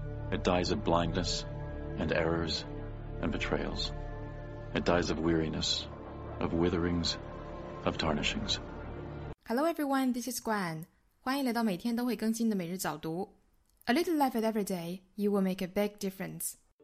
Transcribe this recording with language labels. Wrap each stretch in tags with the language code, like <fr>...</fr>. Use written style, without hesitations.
<en>It dies of blindness and errors and betrayals. It dies of weariness, of witherings, of tarnishings. Hello everyone, this is Gwen.</en> <zh>欢迎来到每天都会更新的每日早读。</zh> <en>A little life at every day, you will make a big difference.</en>